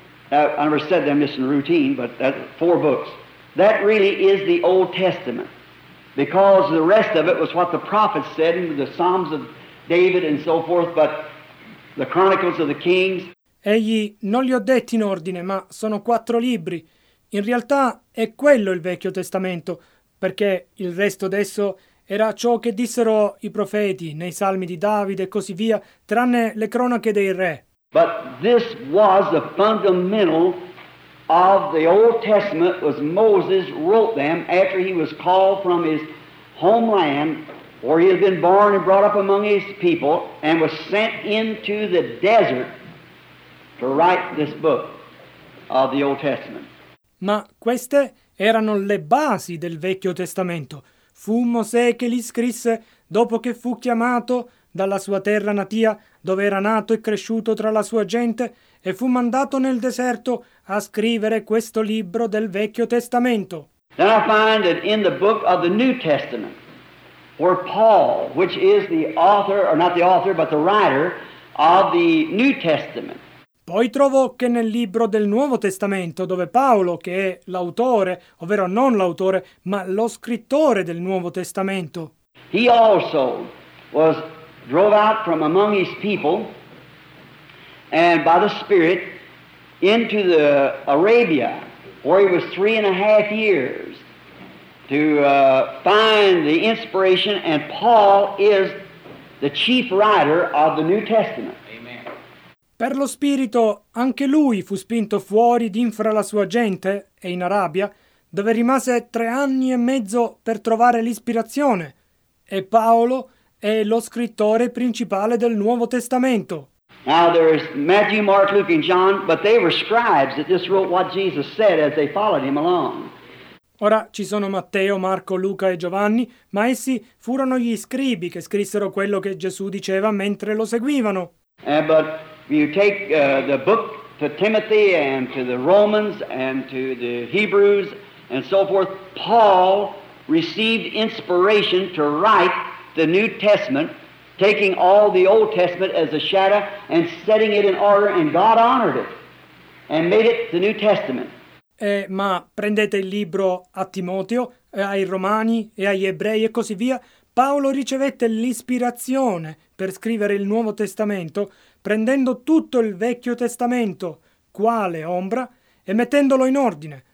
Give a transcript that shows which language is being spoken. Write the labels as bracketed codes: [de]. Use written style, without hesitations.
[en] I never said them just in routine, but that four books. That really is the Old Testament, because the rest of it was what the prophets said in the Psalms of David and so forth, but the Chronicles of the Kings. [it] Egli non li ho detti in ordine, ma sono quattro libri. In realtà è quello il Vecchio Testamento, perché il resto adesso era ciò che dissero i profeti nei Salmi di Davide e così via, tranne le cronache dei re. [en] But this was the fundamental of the Old Testament was Moses wrote them after he was called from his homeland where he had been born and brought up among his people and was sent into the desert to write this book of the Old Testament. [it] Ma queste erano le basi del Vecchio Testamento. Fu Mosè che li scrisse dopo che fu chiamato dalla sua terra natia, dove era nato e cresciuto tra la sua gente, e fu mandato nel deserto a scrivere questo libro del Vecchio Testamento. [en] Then I find that in the book of the New Testament, where Paul, which is the author, or not the author, but the writer of the New Testament. [it] Poi trovo che nel libro del Nuovo Testamento, dove Paolo, che è l'autore, ovvero non l'autore, ma lo scrittore del Nuovo Testamento, [en] He also was drove out from among his people and by the Spirit into the Arabia, where he was 3.5 years to find the inspiration, and Paul is the chief writer of the New Testament. [it] Per lo spirito anche lui fu spinto fuori d'infra la sua gente e in Arabia, dove rimase 3.5 anni per trovare l'ispirazione, e Paolo è lo scrittore principale del Nuovo Testamento. [en] Now there is Matthew, Mark, Luke and John, but they were scribes that just wrote what Jesus said as they followed him along. [it] Ora ci sono Matteo, Marco, Luca e Giovanni, ma essi furono gli scribi che scrissero quello che Gesù diceva mentre lo seguivano. [en] You take the book to Timothy and to the Romans and to the Hebrews and so forth. Paul received inspiration to write the New Testament, taking all the Old Testament as a shadow and setting it in order, and God honored it and made it the New Testament. [it] Ma prendete il libro a Timoteo, ai Romani e agli Ebrei e così via. Paolo ricevette l'ispirazione per scrivere il Nuovo Testamento, prendendo tutto il Vecchio Testamento, quale ombra, e mettendolo in ordine.